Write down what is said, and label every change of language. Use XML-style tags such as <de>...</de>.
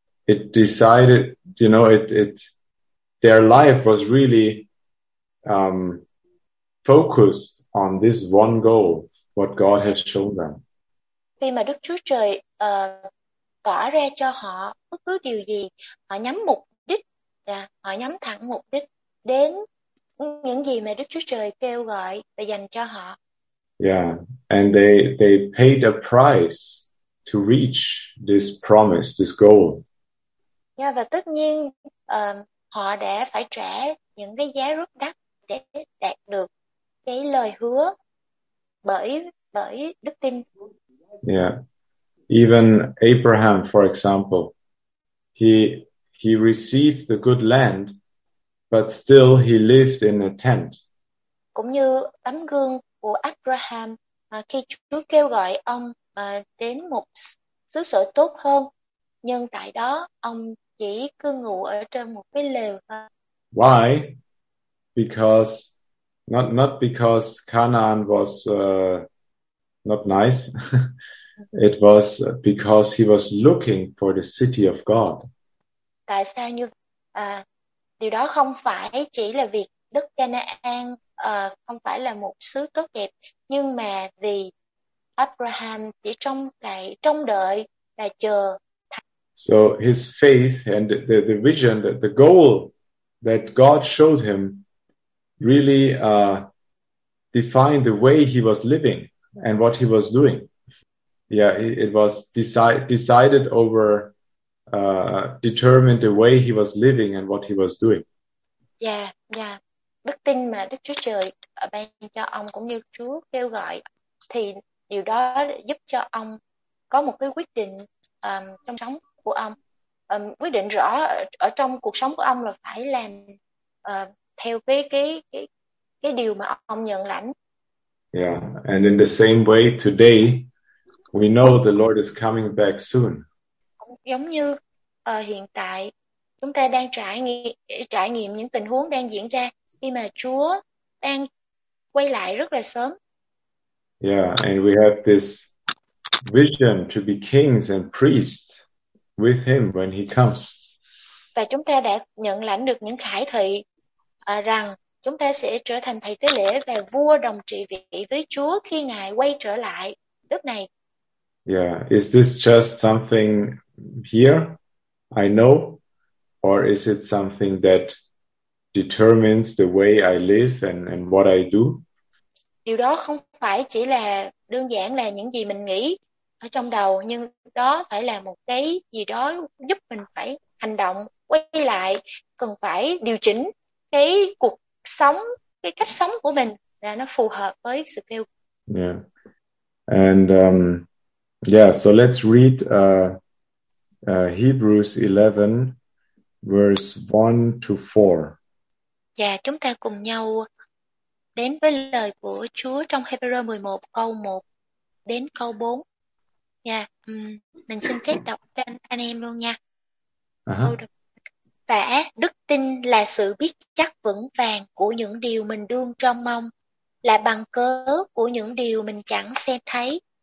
<en>It decided, you know, it their life was really focused on this one goal. what God has shown them.</en> <vi>Khi mà Đức Chúa Trời tỏ ra cho họ bất cứ điều gì, họ nhắm mục đích, họ nhắm thẳng mục đích đến những gì mà Đức Chúa Trời kêu gọi và dành cho họ.</vi> <en>Yeah, and they paid a price to reach this promise, this goal.</en> <vi>Yeah, và tất nhiên họ đã phải trả những cái giá rất đắt để đạt được cái lời hứa bởi đức tin.</vi> <en>Yeah, even Abraham, for example, he received the good land, but still he lived in a tent.</en> <vi>Cũng như tấm gương của Abraham, khi Chúa kêu gọi ông đến một xứ sở tốt hơn, nhưng tại đó ông chỉ cư ngụ ở trên một cái lều.</vi> <en>Why? Because not because Canaan was not nice. It was because he was looking for the city of God.</en> <vi>Tại sao như điều đó không phải chỉ là vì đất Canaan không phải là một xứ tốt đẹp, nhưng mà vì Abraham chỉ trông cậy, trông đợi và chờ.</vi> <en>So his faith and the vision, the goal that God showed him really defined the way he was living and what he was doing. Yeah, it was decided over, determined the way he was living and what he was doing. Yeah.</en> <vi>Đức tin mà Đức Chúa Trời ban cho ông cũng như Chúa kêu gọi thì điều đó giúp cho ông có một cái quyết định trong sống của ông. Quyết định rõ ở trong cuộc sống của ông là phải làm theo cái điều mà ông nhận lãnh.</vi> <en>Yeah, and in the same way today, we know the Lord is coming back soon.</en> <vi>Giống như hiện tại chúng ta đang trải nghiệm những tình huống đang diễn ra khi mà Chúa đang quay lại rất là sớm.</vi> <en>Yeah, and we have this vision to be kings and priests with him when he comes.</en> <vi>Và chúng ta đã nhận lãnh được những khải thị rằng chúng ta sẽ trở thành thầy tế lễ và vua đồng trị vị với Chúa khi Ngài quay trở lại đất này.</vi> <en>Yeah, is this just something here I know, or is it something that determines the way I live and what I do?</en> <vi>Điều đó không phải chỉ là đơn giản là những gì mình nghĩ ở trong đầu, nhưng đó phải là một cái gì đó giúp mình phải hành động, quay lại, cần phải điều chỉnh cái cuộc sống, cái cách sống của mình để nó phù hợp với sự kêu.</vi> <en>Yeah. And yeah, so let's read Hebrews 11, verse 1 to 4.</en> <vi>Yeah, chúng ta cùng nhau đến với lời của Chúa trong Hebrew 11, câu 1 đến câu 4. Yeah, mình xin phép đọc cho anh em luôn nha. Và đức tin là sự biết chắc vững vàng của những điều mình đương trông mong, là bằng cớ của những điều mình chẳng xem thấy.</vi>